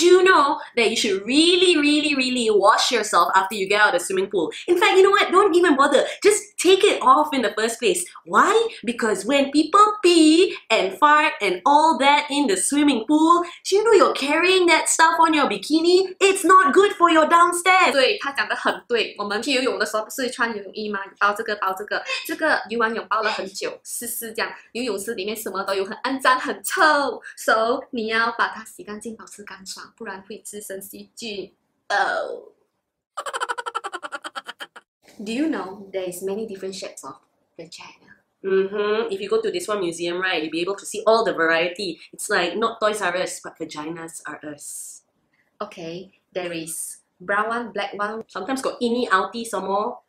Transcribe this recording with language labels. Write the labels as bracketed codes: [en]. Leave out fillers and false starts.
[en] you know that you should really, really, really wash yourself after you get out of the swimming pool? In fact, you know what? Don't even bother. Just take it off in the first place. Why? Because when people pee and fart and all that in the swimming pool, you know you're carrying that stuff on your bikini? It's not good for your downstairs. [zh] 对，他讲得很对。我们去游泳的时候不是穿游泳衣吗？包这个，包这个。这个游完泳包了很久，湿湿这样。游泳池里面什么都有，很肮脏，很臭。So, 你要把它洗干净，保持干爽，不然会滋生细菌。Oh. [en] Do you know there is many different shapes of vagina? Mm-hmm. If you go to this one museum, right, you'll be able to see all the variety. It's like not Toys R Us, but vaginas are us. Okay, there is brown one, black one. Sometimes got inny outy some more.